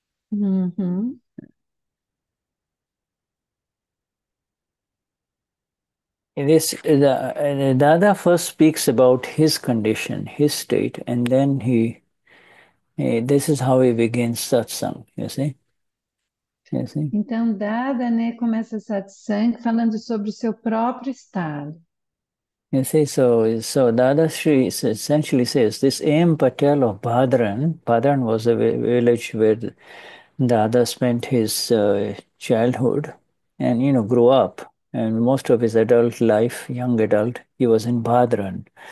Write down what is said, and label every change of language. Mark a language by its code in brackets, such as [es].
[en] The Dada first speaks about his condition, his state, and then this is how he begins satsang, you see? You see? [pt] Então, Dada, né, começa satsang falando sobre o seu próprio estado. [en] You see, so Dadashri essentially says this M. Patel of Padran. Padran was a village where Dada spent his childhood and grew up, and most of his adult life, young adult, he was in Padran.